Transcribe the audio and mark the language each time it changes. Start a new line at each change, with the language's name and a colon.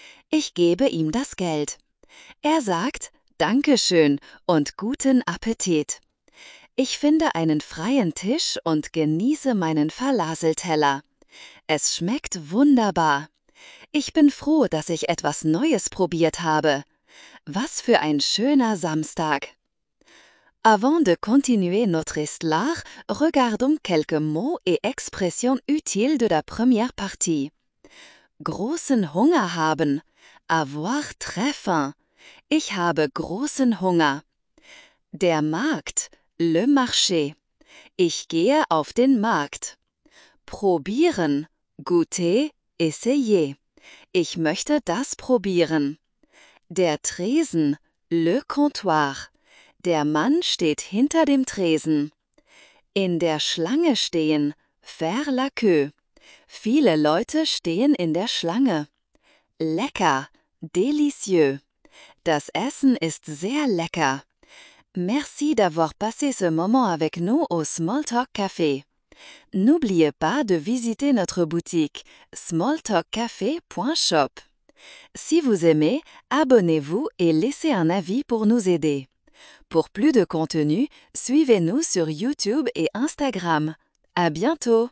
German: Ich gebe ihm das Geld. Er sagt, Dankeschön und guten Appetit. Ich finde einen freien Tisch und genieße meinen Falaselteller. Es schmeckt wunderbar. Ich bin froh, dass ich etwas Neues probiert habe. Was für ein schöner Samstag!
French: Avant de continuer notre histoire, regardons quelques mots et expressions utiles de la première partie.
German: Großen Hunger haben.
French: Avoir très faim.
German: Ich habe großen Hunger. Der Markt.
French: Le marché.
German: Ich gehe auf den Markt. Probieren.
French: Goûter. Essayer.
German: Ich möchte das probieren. Der Tresen.
French: Le comptoir.
German: Der Mann steht hinter dem Tresen. In der Schlange stehen.
French: Faire la queue.
German: Viele Leute stehen in der Schlange. Lecker.
French: Délicieux.
German: Das Essen ist sehr lecker.
French: Merci d'avoir passé ce moment avec nous au Smalltalk Café. N'oubliez pas de visiter notre boutique smalltalkcafé.shop. Si vous aimez, abonnez-vous et laissez un avis pour nous aider. Pour plus de contenu, suivez-nous sur YouTube et Instagram. À bientôt!